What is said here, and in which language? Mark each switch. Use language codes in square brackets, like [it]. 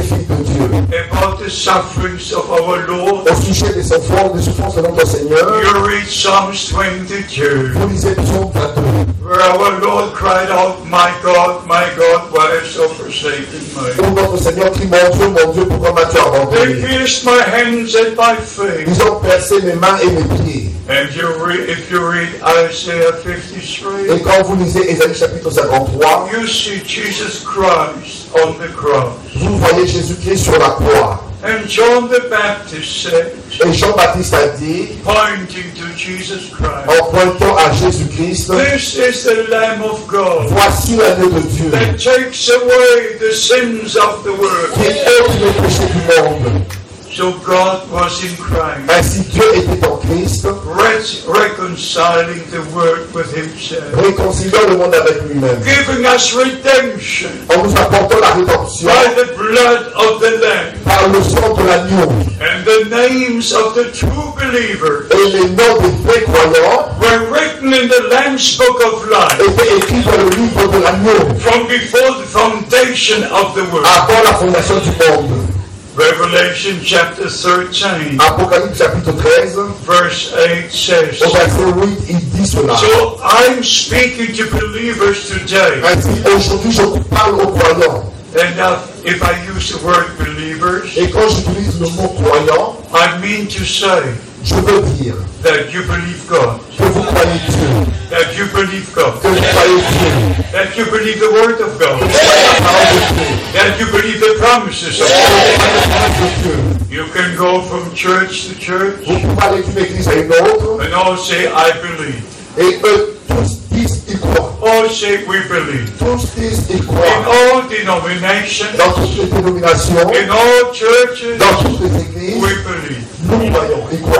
[en] About the sufferings of our Lord. [fr] Au sujet des souffrances de notre Seigneur. [en] You read Psalms 22. [fr] Vous lisez Psalm 22. [en] Where our Lord cried out, my God, why have you forsaken me? [fr] Où notre Seigneur crie, mon Dieu, pourquoi m'as-tu abandonné? [en] They pierced my hands and my feet. [fr] Ils ont percé mes mains et mes pieds. [en] And you read, if you read Isaiah 53. [fr] Et quand vous lisez Ésaïe chapitre 53. [en] You see Jesus Christ on the cross. [fr] Vous voyez Jésus-Christ sur la croix. [en] And John the Baptist said, [fr] et Jean Baptiste a dit, [en] pointing to Jesus Christ, [fr] en pointant à Jésus-Christ, [en] this is the Lamb of God, [fr] voici l'agneau de Dieu, [en] that takes away the sins of the world, [fr] qui ôte les péchés du monde. [en] So God was in Christ, [fr] ainsi Dieu était en Christ, [en] reconciling the world with Himself, [fr] réconciliant le monde avec lui-même, [en] giving us redemption, [fr] en nous apportant la rédemption, [en] by the blood of the Lamb, [fr] par le sang de l'agneau, [en] and the names of the true believers, [fr] et les noms des vrais croyants, [en] were written in the Lamb's book of life, [fr] étaient écrits dans le livre de l'agneau, [en] from before the foundation of the world, [fr] avant la fondation du monde. [en] Revelation chapter 13. [fr] Apocalypse chapitre 13. [en] Verse 8 says. [fr] Au verset 8, il dit cela. [en] So I'm speaking to believers today. [fr] Ainsi, aujourd'hui, je parle aux croyants. [en] And if I use the word believers. [fr] Et quand j'utilise le mot croyant. [en] I mean to say. [fr] Je veux dire. [en] That you believe God. [fr] Que vous croyez Dieu. [en] That you believe God. [fr] Que vous croyez Dieu. [en] That you believe the word of God. [fr] Que vous croyez la parole de Dieu. [en] That you believe the promises of God. You can go from church to church. [fr] Vous pouvez aller d'une église à une autre. [en] And all say, I believe. [fr] Et eux tous disent, ils croient. [en] All say, we believe. [fr] Tous disent, ils croient. [en] In all denominations. [fr] Dans toutes les dénominations. [en] In all churches. [fr] Dans toutes les églises. [en] We believe. [fr] Nous croyons, ils croient.